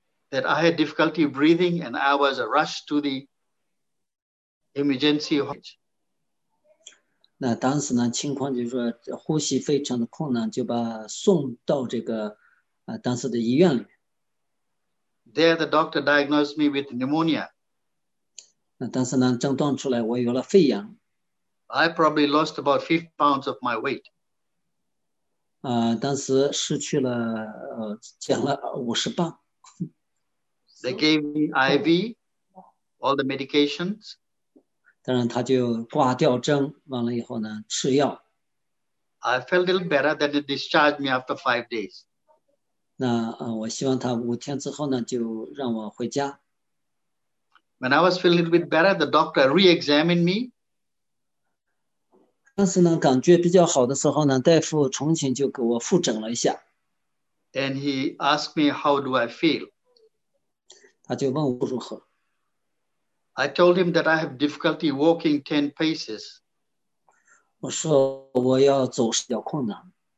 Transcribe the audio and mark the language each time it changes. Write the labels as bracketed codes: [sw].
[en] that I had difficulty breathing and I was rushed to the emergency hospital. [zh] 那当时呢，情况就是说呼吸非常的困难，就把送到这个当时的医院里。 [en] There, the doctor diagnosed me with pneumonia. [zh] 那当时呢，症状出来，我有了肺炎。 [en] I probably lost about 5 pounds of my weight. [zh] 当时失去了减了50磅。 [en] They gave me IV, all the medications. [zh] 当然，他就挂吊针，完了以后呢，吃药。 [en] I felt a little better that they discharged me after 5 days. [zh] 那我希望他5天之后呢，就让我回家。 [en] When I was feeling a little bit better, the doctor re-examined me. [zh] 当时呢，感觉比较好的时候呢，大夫重新就给我复诊了一下。 [en] And he asked me, how do I feel? [zh] 他就问我如何。 [en] I told him that I have difficulty walking 10 paces. [zh] 我说我要走是比较困难，